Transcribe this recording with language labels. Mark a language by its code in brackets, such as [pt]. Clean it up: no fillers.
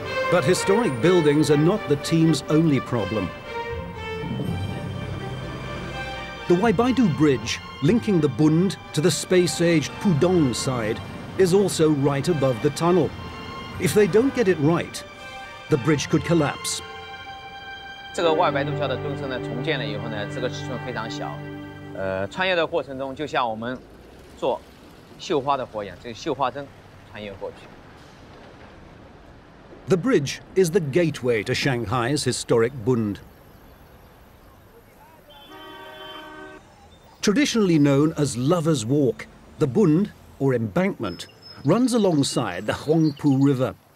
[en] But historic buildings are not the team's only problem. The Waibaidu Bridge, linking the Bund to the space-age Pudong side, is also right above the tunnel. If they don't get it right, the bridge could collapse. [zh] 这个外白渡桥的东侧呢，重建了以后呢，这个尺寸非常小。穿越的过程中，就像我们做绣花的火焰，这个绣花针穿越过去。The [en] bridge is the gateway to Shanghai's historic Bund. Traditionally known as Lover's Walk, the Bund, or embankment, runs alongside the Huangpu River.